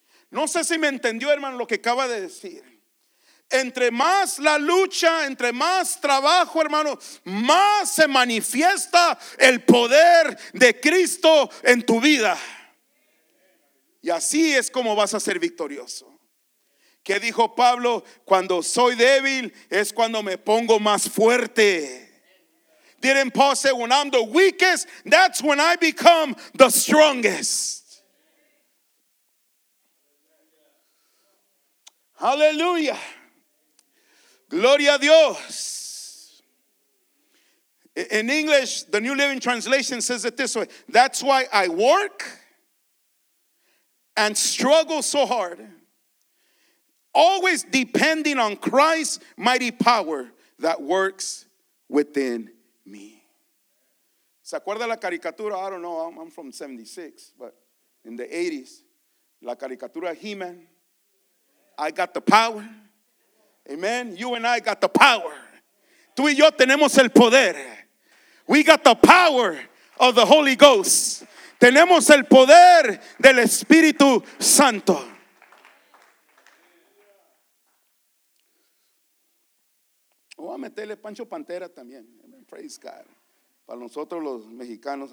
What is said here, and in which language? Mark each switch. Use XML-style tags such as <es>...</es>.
<es>No sé si me entendió, hermano, lo que acaba de decir. Entre más la lucha, entre más trabajo, hermano, más se manifiesta el poder de Cristo en tu vida. Y así es como vas a ser victorioso. ¿Qué dijo Pablo? Cuando soy débil es cuando me pongo más fuerte.</es> <en>Didn't Paul say, when I'm the weakest, that's when I become the strongest.</en> <es>Aleluya. Gloria a Dios.</es> <en>In English, the New Living Translation says it this way. That's why I work and struggle so hard, always depending on Christ's mighty power that works within me.</en> <es>¿Se acuerda la caricatura?</es> <en>I don't know. I'm from 76, but in the 80s,</en> <es>la caricatura</es> <en>He-Man, I got the power. Amen. You and I got the power.</en> <es>Tú y yo tenemos el poder.</es> <en>We got the power of the Holy Ghost.</en> <es>Tenemos el poder del Espíritu Santo. Voy a meterle Pancho Pantera también. Amen.</es> <en>Praise God.</en> <es>Para nosotros los mexicanos.</es>